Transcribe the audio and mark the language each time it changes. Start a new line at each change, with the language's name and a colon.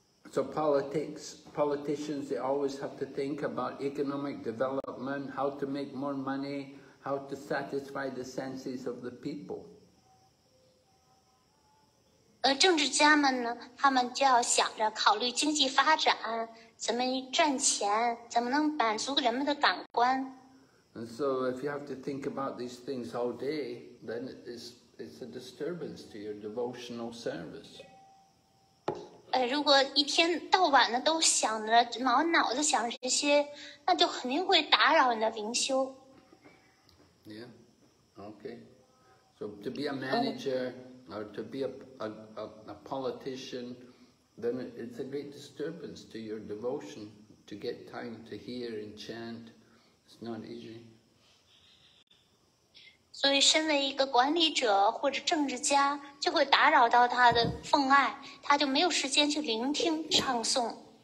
English: So politics, politicians, they always have to think about economic development, how to make more money, how to satisfy the senses of the people.
Chinese: 政治家们呢，他们就要想着考虑经济发展，怎么赚钱，怎么能满足人们的感官。
English: And so if you have to think about these things all day, then it's a disturbance to your devotional service.
Chinese: 如果一天到晚的都想着毛脑子想这些，那就肯定会打扰你的灵修。
English: Yeah, okay. So to be a manager or to be a politician, then it's a great disturbance to your devotion to get time to hear and chant. It's not easy.
Chinese: 所以，身为一个管理者或者政治家，就会打扰到他的奉爱，他就没有时间去聆听唱诵。